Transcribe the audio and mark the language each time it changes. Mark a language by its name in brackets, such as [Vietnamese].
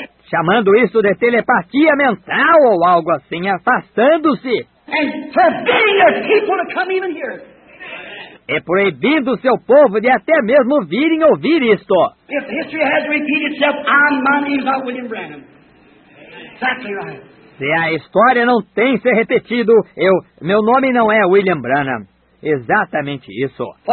[Portuguese] Chamando isso de telepatia mental ou algo assim, afastando-se. [English] And forbidding their people to come even here. [Portuguese] E proibindo o seu povo de até mesmo virem ouvir isto. [English] If history has repeated itself, I'm minding about William Branham. Exactly right. [Portuguese] Se a história não tem se repetido, meu nome não é William Branham. Exatamente isso.